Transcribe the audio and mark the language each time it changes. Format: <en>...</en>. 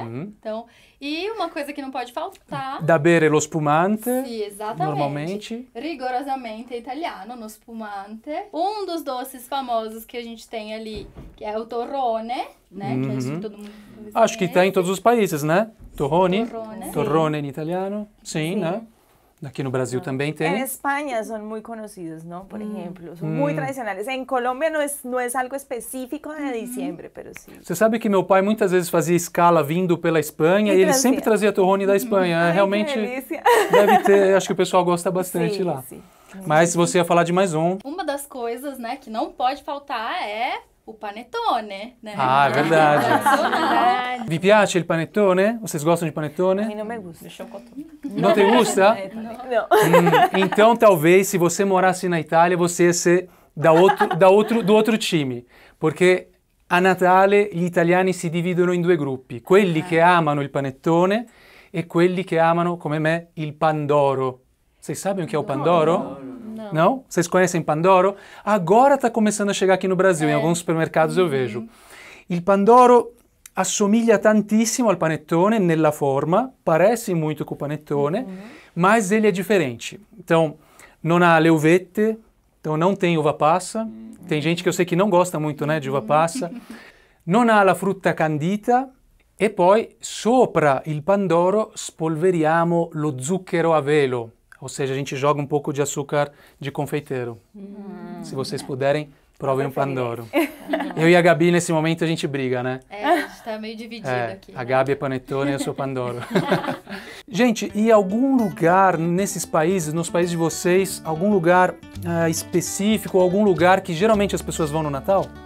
<pt>Então,</pt> <it>e una cosa che non può faltare... Da bere lo spumante, sì, esattamente. Normalmente. Rigorosamente italiano, lo spumante.</it> <pt>Un dos doces famosos</pt> <it>che</it> <pt>a gente tem ali, che è il torrone, né? Acho que tem em todos os países, né? Torrone? Torrone. Torrone em italiano? Sim, né? Aqui no Brasil também tem. Em Espanha são muito conhecidos, não? Por exemplo, são muito tradicionais. Em Colômbia não é algo específico de dezembro, mas sim. Você sabe que meu pai muitas vezes fazia escala vindo pela Espanha e ele sempre trazia torrone da Espanha. Ai, realmente. Que deve ter, acho que o pessoal gosta bastante sim, lá. Sim. Mas você ia falar de mais um. Uma das coisas, né, que não pode faltar é o panetone, né? Ah, é verdade.</pt> <it>Vi piace il panettone?</it> <pt>Vocês gostam de panettone? A mim não me gusta. Chocotone. Não te gusta? Não. Então, talvez, se você morasse na Itália, você ia ser do outro time.</pt> <it>Porque a Natale, gli italiani si dividono in due gruppi. Quelli che amano il panettone e quelli che amano, come me, il pandoro.</it> <pt>Vocês sabem o que é o pandoro? Não. Não? Vocês conhecem pandoro? Agora está começando a chegar aqui no Brasil, em alguns supermercados eu vejo.</pt> <it>Il pandoro assomiglia tantissimo al panettone nella forma,</it> <pt>parece muito com o panettone, mas ele é diferente. Então,</pt> <it>non ha le uvette,</it> <pt>então não tem uva passa. Tem gente que eu sei que não gosta muito, né, de uva passa.</pt> <it>Non ha la frutta candita. E poi, sopra il pandoro, spolveriamo lo zucchero a velo.</it> <pt>Ou seja, a gente joga um pouco de açúcar de confeiteiro. Se vocês puderem, provem um pandoro. Eu e a Gabi, nesse momento, a gente briga, né? É, a gente tá meio dividido aqui. A Gabi é panetone e eu sou pandoro. Gente, e algum lugar nesses países, nos países de vocês, algum lugar específico, algum lugar que geralmente as pessoas vão no Natal?</pt>